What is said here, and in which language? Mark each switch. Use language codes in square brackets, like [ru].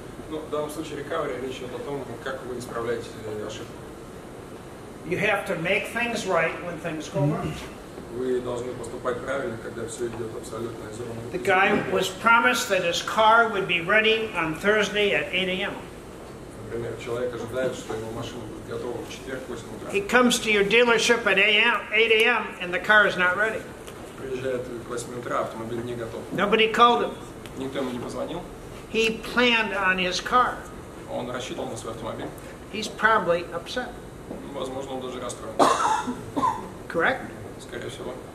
[ru] Ну, в данном случае recovery речь идет о том, как вы исправляете ошибку. [en] You have to make things right when things go wrong. [ru] Вы должны поступать правильно, когда все идет абсолютно из рук. [en] The guy was promised that his car would be ready on Thursday at 8 a.m. [ru] Например, человек ожидает, что его машина будет готова в четверг в 8 утра. [en] He comes to your dealership at 8 a.m. and the car is not ready. [ru] Приезжает к 8 утра, автомобиль не готов. [en] Nobody called him. [ru] Никто ему не позвонил. [en] He planned on his car. [ru] Он рассчитывал на свой автомобиль. [en] He's probably upset. [ru] Возможно, он даже расстроен. [en] Correct? [ru] Скорее всего.